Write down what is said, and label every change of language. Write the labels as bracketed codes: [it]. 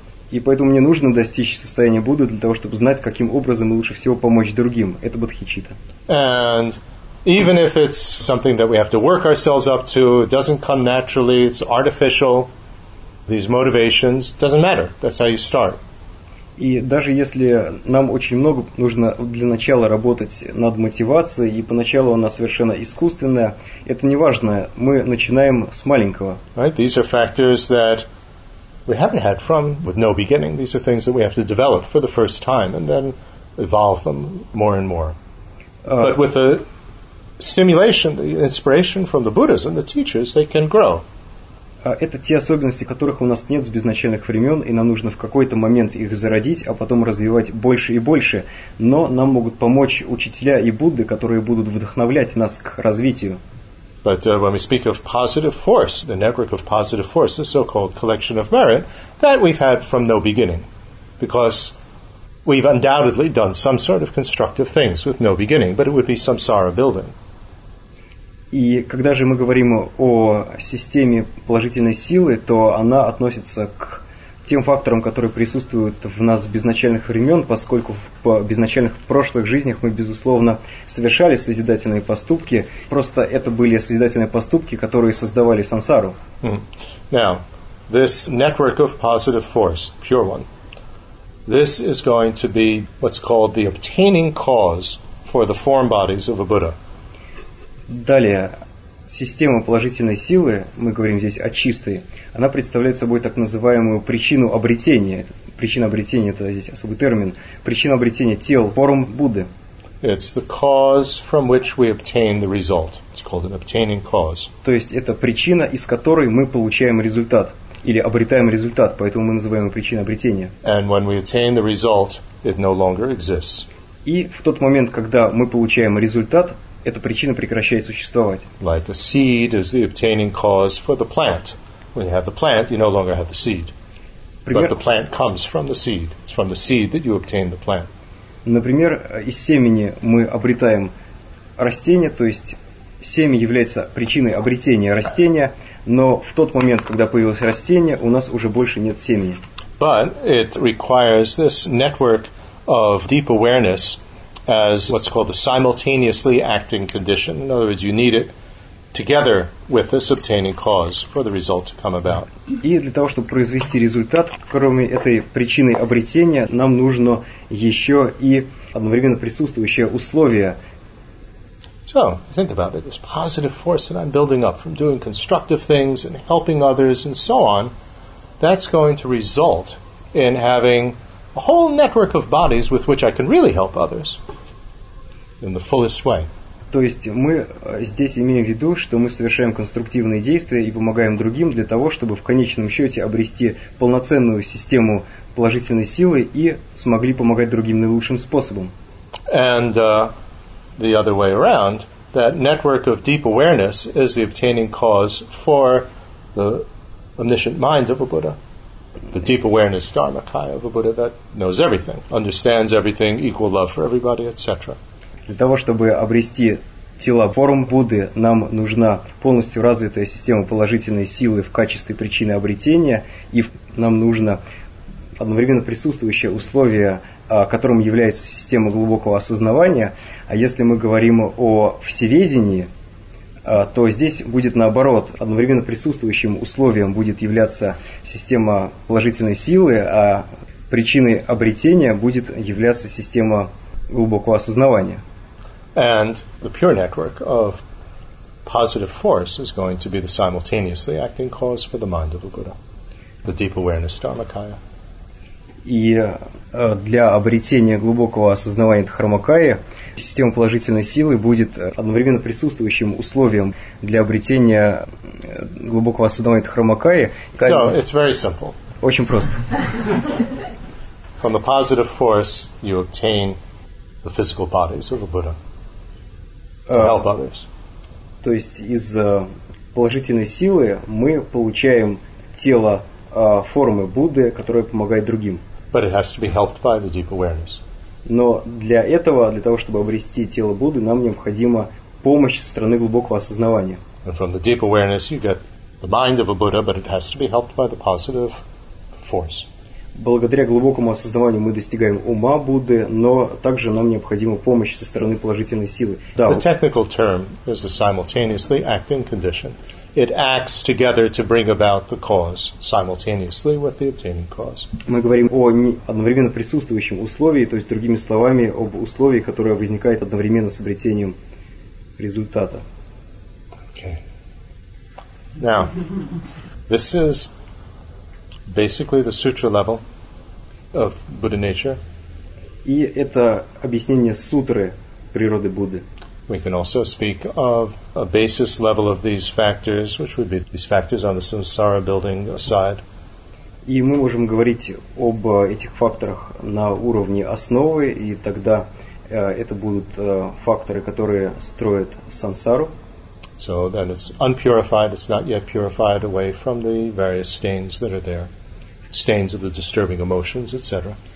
[ru] И поэтому мне нужно достичь состояния Будды для того, чтобы знать, каким образом лучше всего помочь другим. Это бодхичитта. [en] And even if it's something that we have to work ourselves up to, it doesn't come naturally, it's artificial, these motivations, doesn't matter. That's how you start. [ru] И даже если нам очень много нужно для начала работать над мотивацией, и поначалу она совершенно искусственная, это не важно. Мы начинаем с маленького. [en] Right? These are factors that we haven't had from with no beginning. These are things that we have to develop for the first time and then evolve them more and more. But with the stimulation, the inspiration from the Buddhas and the teachers, they can grow. [ru] Это те особенности, которых у нас нет с безначальных времен, и нам нужно в какой-то момент их зародить, а потом развивать больше и больше. Но нам могут помочь учителя и Будды, которые будут вдохновлять нас к развитию. [en] But when we speak of positive force, the network of positive force, the so-called collection of merit, that we've had from no beginning. Because we've undoubtedly done some sort of constructive things with no beginning, but it would be samsara building. [ru] И когда же мы говорим о системе положительной силы, то она относится к тем факторам, которые присутствуют в нас с безначальных времен, поскольку в безначальных прошлых жизнях мы, безусловно, совершали созидательные поступки. Просто это были созидательные поступки, которые создавали сансару. [en] Now, this network of positive force, pure one, this is going to be what's called the obtaining cause for the form bodies of a Buddha. [ru] Далее, система положительной силы, мы говорим здесь о чистой, она представляет собой так называемую причину обретения. Причина обретения – это здесь особый термин. Причина обретения тел, форм Будды. [en] It's the cause from which we obtain the result. It's called an obtaining cause. [ru] То есть, это причина, из которой мы получаем результат, или обретаем результат, поэтому мы называем ее причиной обретения. [en] And when we attain the result, it no longer exists. [ru] И в тот момент, когда мы получаем результат, эта причина прекращает существовать. [en] Like a seed is the obtaining cause for the plant. When you have the plant, you no longer have the seed. [ru] Пример... [en] But the plant comes from the seed. It's from the seed that you obtain the plant. [ru] Например, из семени мы обретаем растение, то есть семя является причиной обретения растения, но в тот момент, когда появилось растение, у нас уже больше нет семени. [en] But it requires this network of deep awareness as what's called the simultaneously acting condition. In other words, you need it together with this obtaining cause for the result to come about. [ru] И для того, чтобы произвести результат, кроме этой причины обретения, нам нужно еще и одновременно присутствующее условие. [en] So, think about it. This positive force that I'm building up from doing constructive things and helping others and so on, that's going to result in having a whole network of bodies with which I can really help others in the fullest way. [ru] То есть мы здесь имеем в виду, что мы совершаем конструктивные действия и помогаем другим для того, чтобы в конечном счете обрести полноценную систему положительной силы и смогли помогать другим наилучшим способом. [en] And the other way around, that network of deep awareness is the obtaining cause for the omniscient mind of a Buddha. The deep awareness dharmakaya of a Buddha that knows everything, understands everything, equal love for everybody, etc. [ru] Для того, чтобы обрести тело форм Будды, нам нужна полностью развитая система положительной силы в качестве причины обретения, и нам нужно одновременно присутствующее условие, которым является система глубокого осознавания. А если мы говорим о всеведении, то здесь будет наоборот. Одновременно присутствующим условием будет являться система положительной силы, а причиной обретения будет являться система глубокого осознавания. [en] And the pure network of positive force is going to be the simultaneously acting cause for the mind of a Buddha, the deep awareness dharmakaya. [ru] И для обретения глубокого осознавания дхармакаи система положительной силы будет одновременно присутствующим условием для обретения глубокого осознавания дхармакаи. [en] So, it's very simple. [ru] Очень просто. [en] From the positive force, you obtain the physical bodies of the Buddha. Help others. [ru] То есть из положительной силы мы получаем тело формы Будды, которое помогает другим. [en] But it has to be helped by the deep awareness. [ru] Но для этого, для того, чтобы обрести тело Будды, нам необходима помощь со стороны глубокого осознавания. [en] And from the deep awareness you get the mind of a Buddha, but it has to be helped by the positive force. [ru] Благодаря глубокому осознаванию мы достигаем ума Будды, но также нам необходима помощь со стороны положительной силы. [en] Да, the technical term is a simultaneously acting condition. It acts together to bring about the cause simultaneously with the obtaining cause. [ru] Мы говорим о одновременно присутствующем условии, то есть другими словами, об условии, которое возникает одновременно с обретением результата. [en] Okay. Now, this is basically the sutra level of Buddha nature. [ru] И это объяснение сутры природы Будды. [en] We can also speak of a basis level of these factors, which would be these factors on the samsara building side. [ru] И мы можем говорить об этих факторах на уровне основы, и тогда это будут факторы, которые строят сансару. [en] So then it's unpurified, it's not yet purified away from the various stains that are there. Stains of the disturbing emotions, etc.